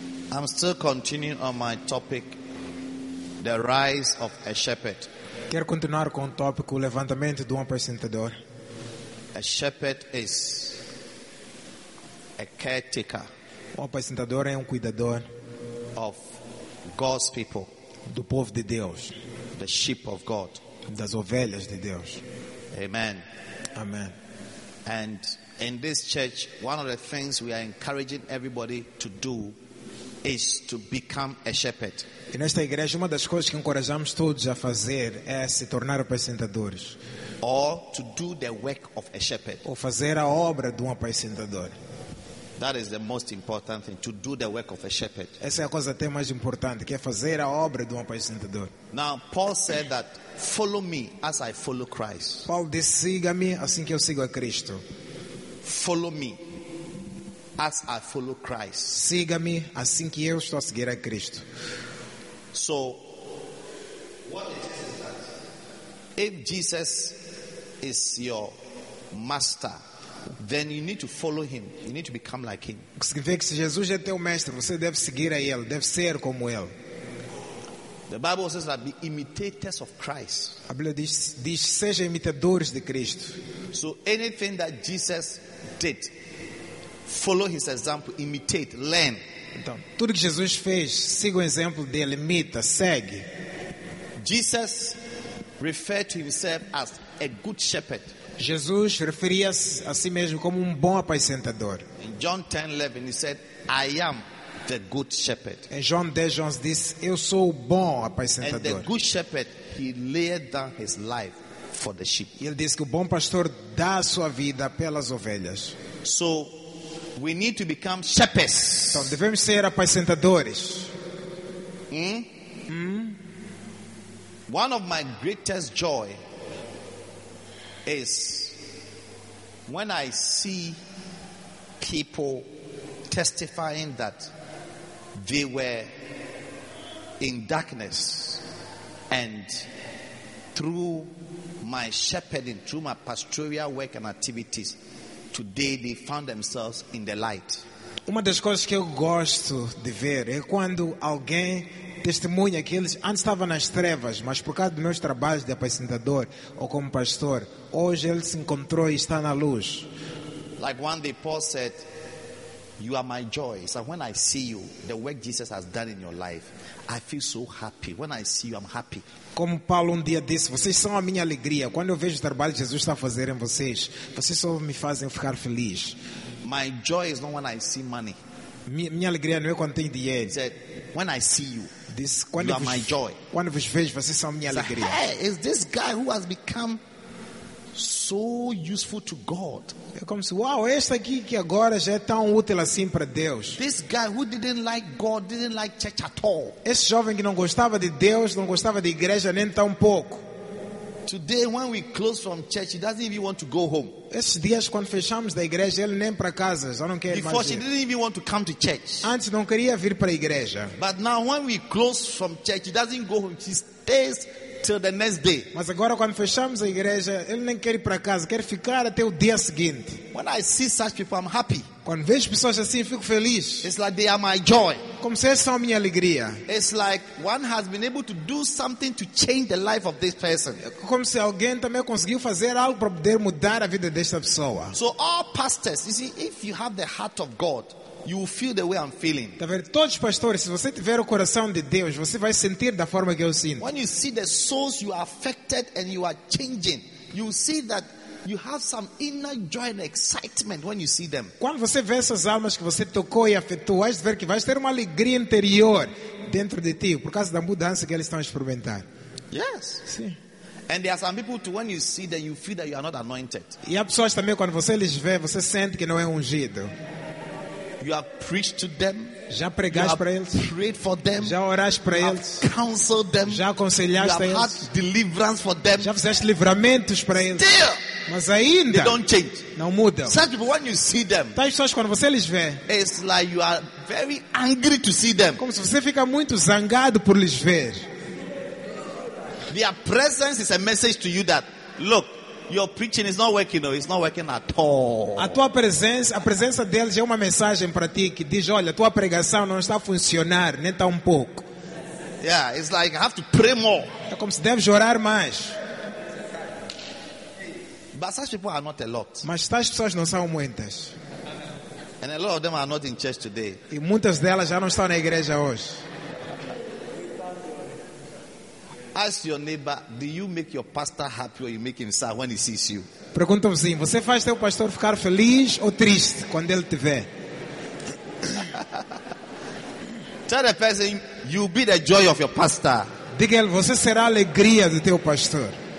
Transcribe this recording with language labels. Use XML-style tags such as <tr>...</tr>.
<en>I'm still continuing on my topic, the rise of a shepherd.</en> <pt>Quero continuar com o tópico, o levantamento de um apacentador.</pt> <en>A shepherd is a caretaker.</en> <pt>O apacentador é um cuidador</pt> <en>of God's people,</en> <pt>do povo de Deus,</pt> <en>the sheep of God,</en> <pt>das ovelhas de Deus.</pt> <en>Amen.</en> <pt>Amen.</pt> <en>And in this church, one of the things we are encouraging everybody to do is to become a shepherd.</en> <pt>E nesta igreja, uma das coisas que encorajamos todos a fazer é se tornar apacentadores.</pt> <en>Or to do the work of a shepherd.</en> <pt>Ou fazer a obra de um apacentador.</pt> <en>That is the most important thing, to do the work of a shepherd.</en> <pt>Essa é a coisa até mais importante, que é fazer a obra de um apacentador.</pt> <en>Now Paul said that, follow me as I follow Christ.</en> <pt>Paulo disse, siga-me assim que eu sigo a Cristo.</pt> <en>Follow me as I follow Christ.</en> <pt>Siga-me assim que eu estou a seguir a Cristo.</pt> <en>So, what is that? If Jesus is your master, then you need to follow him. You need to become like him.</en> <pt>Se Jesus é teu mestre, você deve seguir a ele, deve ser como ele.</pt> <en>The Bible says that be imitators of Christ.</en> <pt>A Bíblia diz seja imitadores de Cristo.</pt> <en>So anything that Jesus did, follow his example, imitate, learn.</en> <pt>Então, tudo que Jesus fez, siga o exemplo dele, imita, segue.</pt> <en>Jesus referred to himself as a good shepherd.</en> <pt>Jesus referia-se a si mesmo como um bom apacentador.</pt> <en>In John 10:11 he said, I am the good shepherd.</en> <pt>Em João 10:11 disse, eu sou o bom apacentador.</pt> <en>And the good shepherd, he laid down his life for the sheep.</en> <pt>Ele disse que o bom pastor dá a sua vida pelas ovelhas.</pt> <en>So we need to become shepherds.</en> <pt>Então devemos ser apacentadores.</pt> <en>One of my greatest joy is when I see people testifying that they were in darkness and through my shepherding, through my pastoral work and activities, today they found themselves in the light.</en> <pt>Uma das coisas que eu gosto de ver é quando alguém testemunha que eles antes estavam nas trevas, mas por causa dos meus trabalhos de apacentador ou como pastor, hoje ele se encontrou e está na luz.</pt> <en>Like one day Paul said, you are my joy. So when I see you, the work Jesus has done in your life, I feel so happy. When I see you, I'm happy.</en> <pt>Como Paulo um dia disse, vocês são a minha alegria. Quando eu vejo o trabalho que Jesus está a fazer em vocês, vocês só me fazem ficar feliz.</pt> <en>My joy is not when I see money.</en> <pt>Minha alegria não é quando tenho dinheiro.</pt> <en>He said, when I see you, this, you are my joy.</en> <pt>Quando vos vejo, vocês são a minha alegria.</pt> <en>Hey, is this guy who has become so useful to God?</en> <pt>É como se, wow, este aqui que agora já é tão útil assim para Deus.</pt> <en>This guy who didn't like God, didn't like church at all.</en> <pt>Esse jovem que não gostava de Deus, não gostava de igreja nem tão pouco.</pt> <en>Today, when we close from church, he doesn't even want to go home.</en> <pt>Esses dias quando fechamos da igreja, ele nem para casa, só não quer ir.</pt> <en>Before, she didn't even want to come to church.</en> <pt>Antes não queria vir para a igreja.</pt> <en>But now, when we close from church, he doesn't go home. He stays till the next day.</en> <pt>Mas agora quando fechamos a igreja, ele nem quer ir para casa, quer ficar até o dia seguinte.</pt> <en>When I see such people, I'm happy.</en> <pt>Quando vejo pessoas assim, fico feliz.</pt> <en>It's like they are my joy.</en> <pt>Como se eles são a minha alegria.</pt> <en>It's like one has been able to do something to change the life of this person.</en> <pt>Como se alguém também conseguiu fazer algo para poder mudar a vida desta pessoa.</pt> <en>So all pastors, you see, if you have the heart of God, you will feel the way I'm feeling.</en> <pt>Todos os pastores, se você tiver o coração de Deus, você vai sentir da forma que eu sinto.</pt> <en>When you see the souls you are affected and you are changing, you will see that you have some inner joy and excitement when you see them.</en> <pt>Quando você vê essas almas que você tocou e afetou, vais ver que vais ter uma alegria interior dentro de ti por causa da mudança que eles estão a experimentar.</pt> <en>Yes.</en> <pt>Sim.</pt> <en>And there are some people too, when you see them, you feel that you are not anointed.</en> <pt>E há pessoas também, quando você lhes vê, você sente que não é ungido.</pt> <en>You have preached to them.</en> <pt>Já pregaste para eles.</pt> <en>You have prayed for them.</en> <pt>Já oraste para eles.</pt> <en>You have counseled them.</en> <pt>Já aconselhaste eles.</pt> <en>You have had deliverance for them.</en> <pt>Já fizeste livramentos para eles.</pt> <en>Still,</en> <pt>mas ainda,</pt> <en>they don't change.</en> <pt>Não mudam.</pt> <en>Such people, when you see them,</en> <pt>tais pessoas, quando você lhes vê,</pt> <en>it's like you are very angry to see them.</en> <pt>Como se você fica muito zangado por lhes ver.</pt> <en>Their presence is a message to you that, look, your preaching is not working, no, it's not working at all.</en> <pt>A tua presença, a presença deles é uma mensagem para ti que diz, olha, a tua pregação não está a funcionar, nem está um pouco.</pt> <en>Yeah, it's like I have to pray more.</en> <pt>É como se deves orar mais.</pt> <en>But such people are not a lot.</en> <pt>Mas tais pessoas não são muitas.</pt> <en>And a lot of them are not in church today.</en> <pt>E muitas delas já não estão na igreja hoje.</pt> <en>Ask your neighbor, do you make your pastor happy or you make him sad when he sees you?</en> <pt>Pergunta ao vizinho, você faz teu pastor ficar feliz ou triste quando ele te vê?</pt> <en>Tell the person, you'll be the joy of your pastor.</en> <pt>Diga-lhe, você será a alegria do teu pastor.</pt>